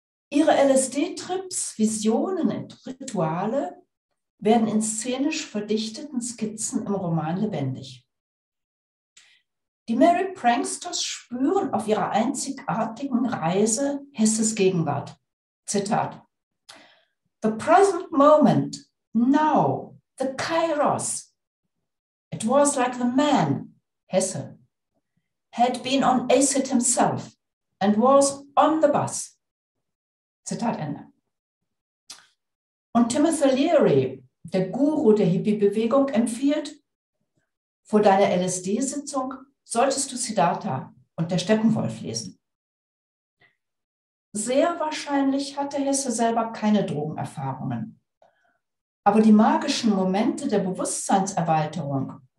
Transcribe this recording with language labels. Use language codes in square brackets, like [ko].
[de] Ihre LSD-Trips, Visionen und Rituale werden in szenisch verdichteten Skizzen im Roman lebendig. Die Merry Pranksters spüren auf ihrer einzigartigen Reise Hesses Gegenwart. Zitat: [en] The present moment, now, the Kairos, it was like the man, Hesse, had been on acid himself and was on the bus. [de] Zitat Ende. Und Timothy Leary, der Guru der Hippie-Bewegung, empfiehlt: Vor deiner LSD-Sitzung solltest du Siddhartha und der Steppenwolf lesen. Sehr wahrscheinlich hatte Hesse selber keine Drogenerfahrungen. Aber die magischen Momente der Bewusstseinserweiterung